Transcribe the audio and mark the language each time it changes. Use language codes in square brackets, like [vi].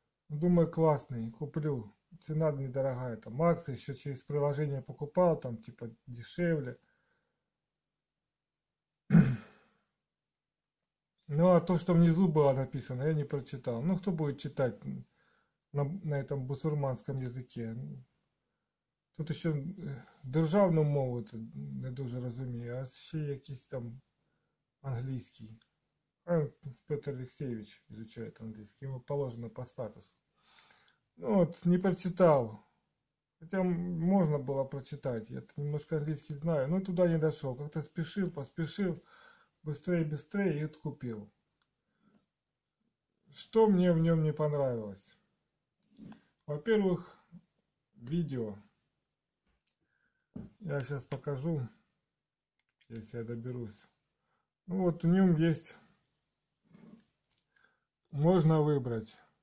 [ru] Думаю, классный, куплю. Цена недорогая, там Макс еще через приложение покупал, там типа дешевле. Ну, а то, что внизу было написано, я не прочитал. Ну, кто будет читать на этом бусурманском языке? [uk] Тут еще державну мову не дуже розумію, а ще якийсь там англійський. [ru] А Петр Алексеевич изучает англійський, [uk] йому [ru] положено по статусу. [uk] Ну от, не прочитав. Хоча можна було прочитати, я [ru] немножко [uk] англійський знаю, але туди не дійшов. [ru] Как-то [uk] спішив, поспішив, [ru] быстрее-быстрее [uk] і от купив. Що мені в ньому не [ru] понравилось? Во-первых, [uk] відео. [ru] Я сейчас покажу, если я доберусь. Ну вот, в нем есть, можно выбрать.